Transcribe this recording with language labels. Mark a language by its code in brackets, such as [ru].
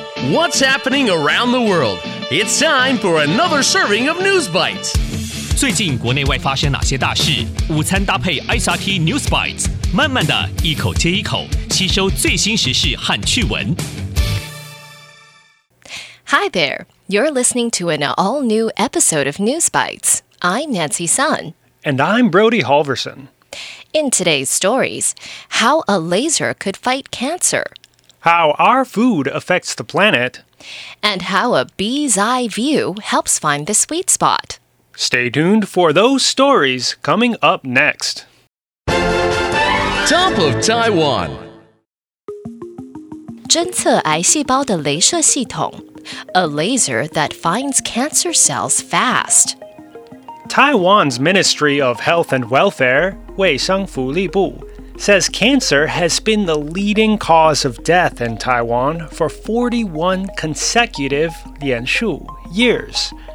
[en] What's happening around the world? It's time for another serving of News Bites. [zh] 最近国内外发生哪些大事？午餐搭配 SRT News Bites， 慢慢的一口接一口，吸收最新时事和趣闻。 [en] Hi there, you're listening to an all-new episode of News Bites. I'm Nancy Sun. And I'm Brody Halverson. In today's stories, how a laser could fight cancer. How our food affects the planet. And how a bee's eye view helps find the sweet spot. Stay tuned for those stories coming up next. Top of Taiwan. [zh] 侦测癌细胞的雷射系统。 [en] A laser that finds cancer cells fast. Taiwan's Ministry of Health and Welfare, 卫生福利部, says cancer has been the leading cause of death in Taiwan for 41 consecutive 连续 years.